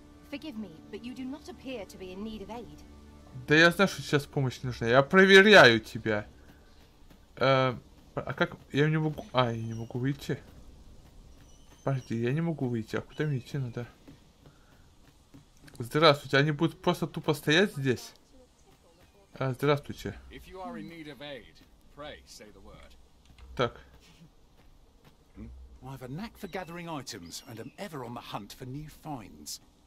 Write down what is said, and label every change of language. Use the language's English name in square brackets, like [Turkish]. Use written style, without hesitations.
[English] Forgive me, but you do not appear to be in need of aid. [Russian] Да я знаю, что сейчас помощь нужна. Я проверяю тебя. А как? Я не могу. А, я не могу выйти. Подожди, я не могу выйти. А куда мне идти надо? Здравствуйте, они будут просто тупо стоять здесь? Здравствуйте. [English] If you are in need of aid, pray say the word. [Russian] Так. [English] I have a knack for gathering items and am ever on the hunt for new finds.